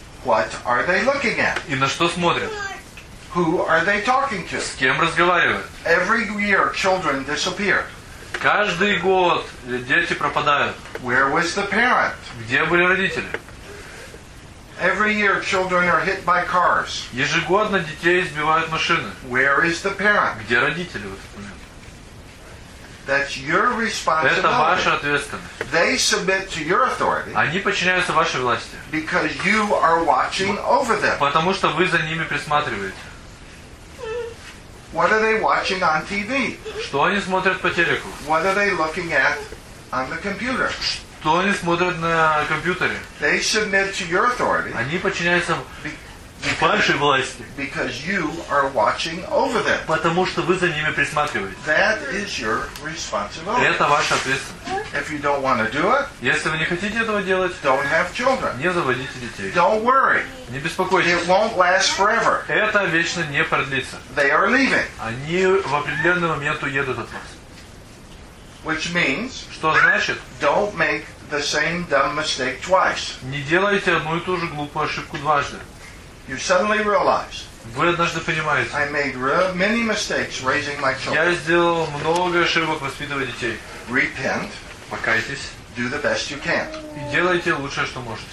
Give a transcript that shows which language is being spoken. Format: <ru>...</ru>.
<en>What are they looking at?</en> <ru>И на что смотрят?</ru> <en>Who are they talking to?</en> <ru>С кем разговаривают?</ru> <en>Every year children disappear.</en> <ru>Каждый год дети пропадают.</ru> <en>Where was the parent?</en> <ru>Где были родители?</ru> <en>Every year children are hit by cars.</en> <ru>Ежегодно детей сбивают машины.</ru> <en>Where is the parent?</en> <ru>Где родители в этот момент?</ru> <en>That's your responsibility.</en> <ru>Это ваша ответственность.</ru> <en>They submit to your authority.</en> <ru>Они подчиняются вашей власти.</ru> <en>Because you are watching over them.</en> <ru>Потому что вы за ними присматриваете.</ru> <en>What are they watching on TV?</en> <ru>Что они смотрят по телеку?</ru> <en>What are they looking at on the computer?</en> <ru>Что они смотрят на компьютере?</ru> <en>They submit to your authority.</en> <ru>Они подчиняются вашей власти.</ru> <en>Because you are watching over them.</en> <ru>Потому что вы за ними присматриваете.</ru> <en>That is your responsibility.</en> <ru>Это ваша ответственность.</ru> <en>If you don't want to do it,</en> <ru>если вы не хотите этого делать,</ru> <en>don't have children.</en> <ru>Не заводите детей.</ru> <en>Don't worry.</en> <ru>Не беспокойтесь.</ru> <en>It won't last forever.</en> <ru>Это вечно не продлится.</ru> <en>They are leaving.</en> <ru>Они в определенный момент уедут от вас.</ru> <en>Which means,</en> <ru>что значит,</ru> <en>don't make the same dumb mistake twice.</en> <ru>Не делайте одну и ту же глупую ошибку дважды.</ru> <en>You suddenly realize.</en> <ru>Вы однажды понимаете.</ru> <en>I made many mistakes raising my children.</en> <ru>Я сделал много ошибок, воспитывая детей.</ru> <en>Repent.</en> <ru>Покайтесь.</ru> <en>Do the best you can.</en> <ru>И делайте лучшее, что можете.</ru>